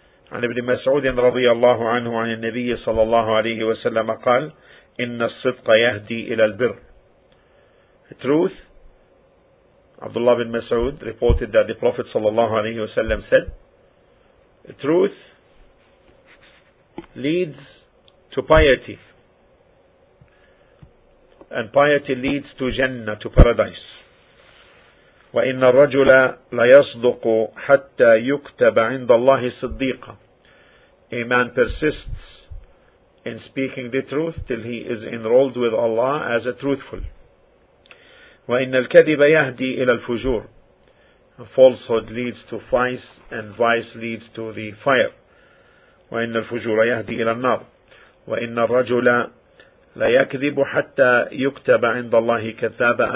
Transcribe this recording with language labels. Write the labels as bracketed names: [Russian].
[Arabic] And Ibn Mas'ud رضي الله عنه عن النبي صلى الله عليه وسلم قال, إن الصدق يهدي إلى البر. [English] Truth, Abdullah bin Mas'ud reported that the Prophet [Arabic] صلى الله عليه وسلم [English] said, truth leads to piety, and piety leads to Jannah, to paradise. [Arabic] وَإِنَّ الرَّجُلَ لَيَصْدُقُ حَتَّى يُكْتَبَ عِنْدَ اللَّهِ صِدِّيقًا. [English] A man persists in speaking the truth till he is enrolled with Allah as a truthful. [Arabic] وَإِنَّ الْكَذِبَ يَهْدِي إِلَى الْفُجُورِ. [English] Falsehood leads to vice, and vice leads to the fire. [Arabic] وَإِنَّ الْفُجُورَ يَهْدِي إِلَى النَّارِ. وَإِنَّ الرَّجُلَ لا يكذب حتى يكتب عند الله كذابا.